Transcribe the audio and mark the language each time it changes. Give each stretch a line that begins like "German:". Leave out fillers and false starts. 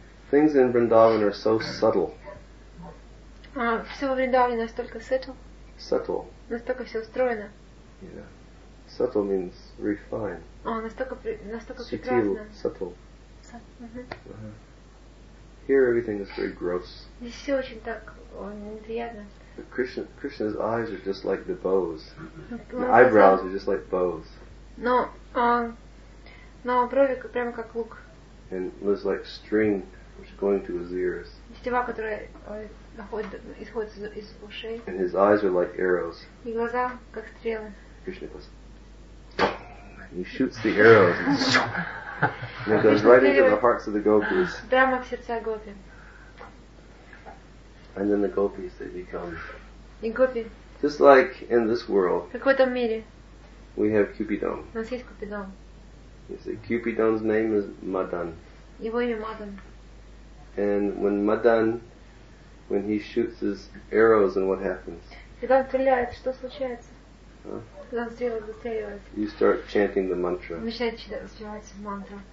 English: Things in Vrindavan are so subtle.
Russian: Все во Вриндаване настолько subtle.
English: Subtle.
Russian: Настолько все устроено.
English: Yeah. Subtle means refined.
Russian: Настолько прекрасно.
English: Subtle. Here everything is very gross.
Russian: Здесь все очень так неприятно.
English: Krishna's eyes are just like the bows. The eyebrows are just like bows.
Russian: Но брови прямо как лук.
English: And looks like string. Which is going to his ears.
Russian: Тетива, которая исходит из ушей.
English: And his eyes are like arrows.
Russian: И глаза как стрелы.
English: Krishna goes. And he shoots the arrows. And it goes right into the hearts of the gopis.
Russian: Прямо в сердца гопи.
English: And then the gopis, they become.
Russian: И гопи.
English: Just like in this world.
Russian: Как в этом мире.
English: We have Cupidon.
Russian: У нас есть Cupidon.
English: You see, Cupidon's name is Madan.
Russian: Его имя Мадан.
English: And when Madan, when he shoots his arrows, and what happens?
Russian: Когда он стреляет, что случается? Когда он стреляет, застреливает.
English: You start chanting the mantra.
Russian: Начинает читать, спевать мантру.